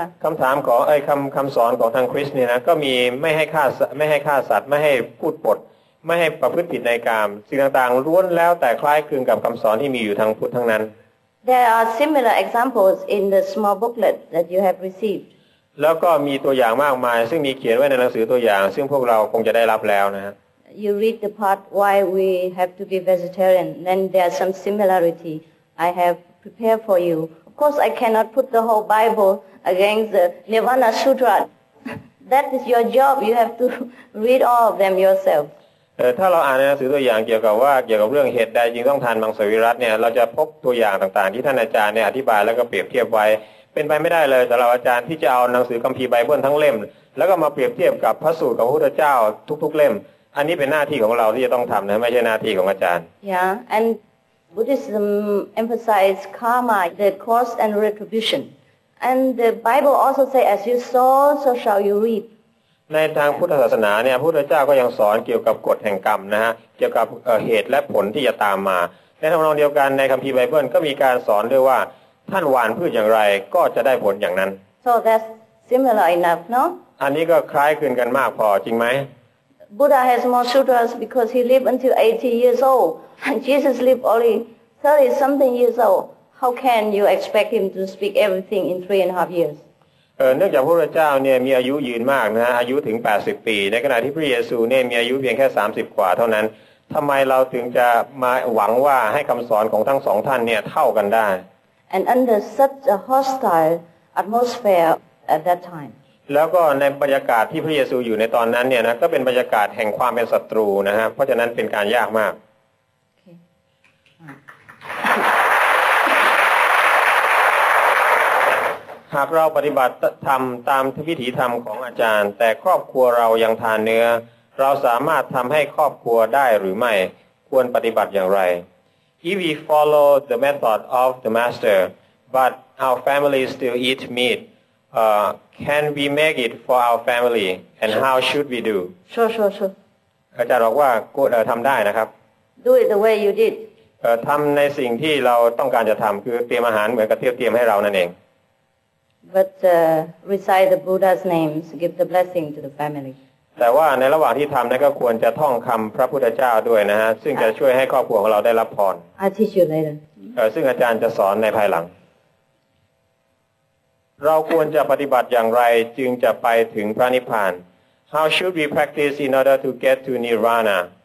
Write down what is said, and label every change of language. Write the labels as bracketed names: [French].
[Thai] คำถามของไอ้คำสอนของทางคริสต์เนี่ยนะก็มีไม่ให้ฆ่าสัตว์ไม่ให้พูดปดไม่ให้ประพฤติผิดในกามสิ่งต่างๆล้วนแล้วแต่คล้ายคลึงกับคำสอนที่มีอยู่ทางพุทธทั้งนั้น [English] There are similar examples in the small booklet that you have received. [Thai] แล้วก็มีตัวอย่างมากมายซึ่งมีเขียนไว้ในหนังสือตัวอย่างซึ่งพวกเราคงจะได้รับแล้วนะ [English] You read the part why we have to be vegetarian, then there are some similarityI have prepared for you. Of course, I cannot put the whole Bible against the Nirvana Sutra. That is your job. You have to read all of them yourself. [Thai] ถ้าเราอ่านในหนังสือตัวอย่างเกี่ยวกับเรื่องเหตุใดจึงต้องทานมังสวิรัติเนี่ยเราจะพบตัวอย่างต่างๆที่ท่านอาจารย์เนี่ยอธิบายแล้วก็เปรียบเทียบไว้เป็นไปไม่ได้เลยสำหรับอาจารย์ที่จะเอาหนังสือคัมภีร์ไบเบิลทั้งเล่มแล้วก็มาเปรียบเทียบกับพระสูตรของพระพุทธเจ้าทุกเล่มอันนี้เป็นหน้าที่ของเราที่จะต้องทำนะไม่ใช่หน้าที่ของอาจารย์ [English] Yeah andBuddhism emphasize karma, the cause and retribution. And the Bible also say, as you sow, so shall you reap. [Thai] ในทางพุทธศาสนาเนี่ยพุทธเจ้าก็ยังสอนเกี่ยวกับกฎแห่งกรรมนะฮะเกี่ยวกับเหตุและผลที่จะตามมาในทำนองเดียวกันในคัมภีร์ไบเบิลก็มีการสอนด้วยว่าท่านหว่านพืชอย่างไรก็จะได้ผลอย่างนั้น [English] So that's similar enough, no? [Thai] อันนี้ก็คล้ายคลึงกันมากพอจริงไหม [English] Buddha has more sutras because he lived until 80 years old. And Jesus lived only 30 something years old. How can you expect him to speak everything in 3.5 years? [Thai] เนื่องจากพระพุทธเจ้าเนี่ยมีอายุยืนมากนะฮะอายุถึง80ปีในขณะที่พระเยซูเนี่ยมีอายุเพียงแค่30กว่าเท่านั้นทำไมเราถึงจะมาหวังว่าให้คำสอนของทั้งสองท่านเนี่ยเท่ากันได้ [English] And under such a hostile atmosphere at that time. [Thai] แล้วก็ในบรรยากาศที่พระเยซูอยู่ในตอนนั้นเนี่ยนะก็เป็นบรรยากาศแห่งความเป็นศัตรูนะฮะเพราะฉะนั้นเป็นการยากมาก หากเราปฏิบัติธรรมตามวิถีธรรมของอาจารย์แต่ครอบครัวเรายังทานเนื้อเราสามารถทำให้ครอบครัวได้หรือไม่ควรปฏิบัติอย่างไร [English] If we follow the method of the master but our family still eat meatcan we make it for our family and how should we do sure [Thai] อาจารย์บอกว่าก็ทําได้นะครับ [English] do it the way you did [Thai] ทําในสิ่งที่เราต้องการจะทําคือเตรียมอาหารเหมือนกับที่เตรียมให้เรานั่นเอง [English] but recite the Buddha's names give the blessing to the family [Thai] แต่ว่าในระหว่างที่ทำนั้นก็ควรจะท่องคำพระพุทธเจ้าด้วยนะฮะซึ่งจะช่วยให้ครอบครัวของเราได้รับพร [English] I teach you later. [Thai] ซึ่งอาจารย์จะสอนในภายหลังเราควรจะปฏิบัติอย่างไรจึงจะไปถึงพระนิพพาน [English] How should we practice in order to get to Nirvana?